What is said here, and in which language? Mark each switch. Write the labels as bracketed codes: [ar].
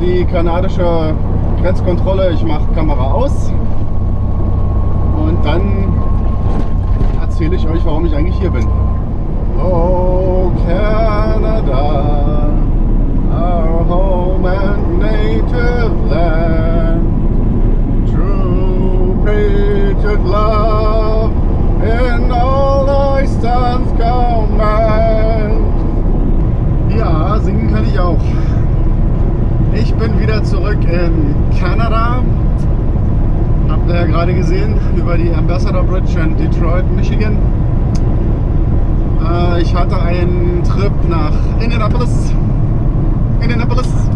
[de] Kanadische Grenzkontrolle, ich mache Kamera aus und dann erzähle ich euch, warum ich eigentlich hier bin. [en] Oh, Canada, our home and native land, true patriot love in all I stand command. [de] Ja, singen kann ich auch. Ich bin wieder zurück in Kanada. Habt ihr ja gerade gesehen, über die Ambassador Bridge in Detroit, Michigan. Ich hatte einen Trip nach Indianapolis. Indianapolis.